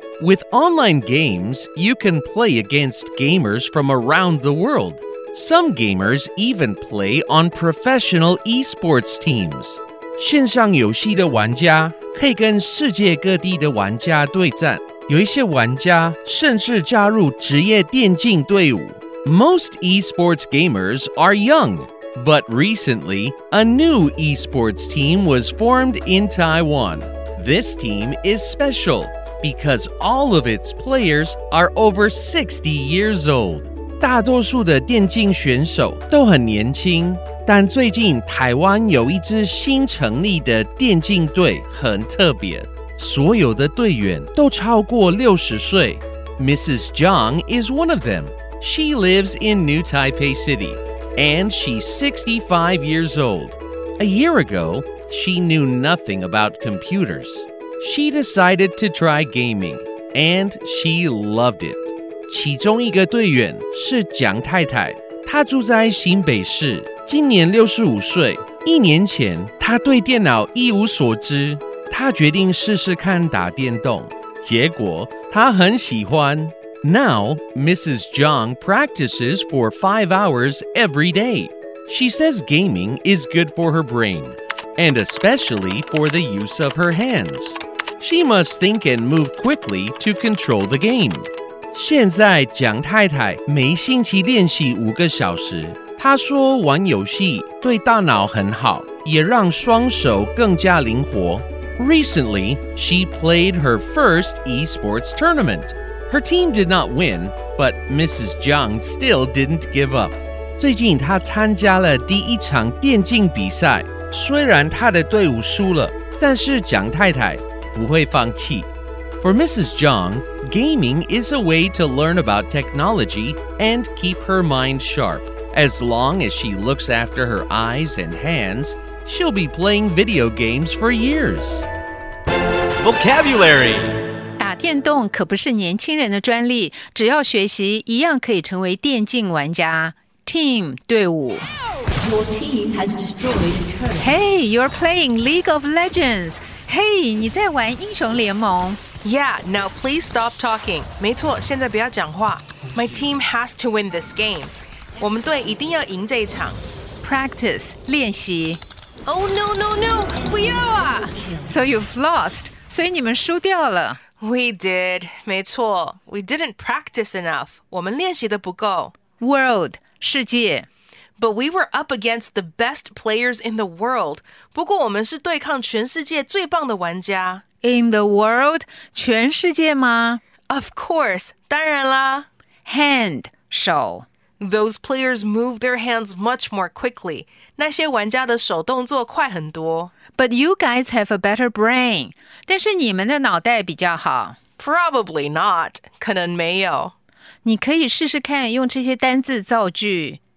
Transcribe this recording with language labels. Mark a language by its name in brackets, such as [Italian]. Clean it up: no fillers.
[English] With online games, you can play against gamers from around the world. Some gamers even play on professional esports teams. [Chinese] 线上游戏的玩家可以跟世界各地的玩家对战。有一些玩家甚至加入职业电竞队伍。 [English] Most esports gamers are young, but recently, a new esports team was formed in Taiwan. This team is special because all of its players are over 60 years old. [Chinese] 大多数的电竞选手都很年轻，但最近台湾有一支新成立的电竞队很特别，所有的队员都超过60岁。 [English] Mrs. Zhang is one of them. She lives in New Taipei City, and she's 65 years old. A year ago, she knew nothing about computers. She decided to try gaming, and she loved it. [Chinese] 其中一个队员是蒋太太，她住在新北市，今年65岁。一年前，她对电脑一无所知，她决定试试看打电动，结果她很喜欢。 [English] Now, Mrs. Zhang practices for 5 hours every day. She says gaming is good for her brain, and especially for the use of her hands. She must think and move quickly to control the game. [Chinese] 现在蒋太太每星期练习5个小时。她说玩游戏对大脑很好，也让双手更加灵活。 [English] Recently, she played her first esports tournament. Her team did not win, but Mrs. Zhang still didn't give up. [Chinese] 最近她参加了第一场电竞比赛，虽然她的队伍输了，但是蒋太太不会放弃。 [English] For Mrs. Zhang, gaming is a way to learn about technology and keep her mind sharp. As long as she looks after her eyes and hands, she'll be playing video games for years. Vocabulary. [Chinese] 电动可不是年轻人的专利，只要学习，一样可以成为电竞玩家。 [English] Team 队伍。 Your team has destroyed turret. Hey, you're playing League of Legends. Hey, [Chinese] 你在玩英雄联盟。 [English] Yeah, now please stop talking. [Chinese] 没错，现在不要讲话。 [English] My team has to win this game. [Chinese] 我们队一定要赢这一场。 [English] Practice 练习。 Oh no no no! [Chinese] 不要啊 [English] ！So you've lost. [Chinese] 所以你们输掉了。 [English] We did, [Chinese] 没错。 [English] We didn't practice enough. [Chinese] 我们练习的不够。 [English] World, 世界。 But we were up against the best players in the world. [Chinese] 不过我们是对抗全世界最棒的玩家。 [English] In the world, [Chinese] 全世界吗？ [English] Of course, [Chinese] 当然啦。 [English] Hand, 手。 Those players move their hands much more quickly. [Chinese] 那些玩家的手动作快很多。 [English] But you guys have a better brain. [Chinese] 但是你们的脑袋比较好。 [English] Probably not. [Chinese] 可能没有。你可以试试看用这些单字造句。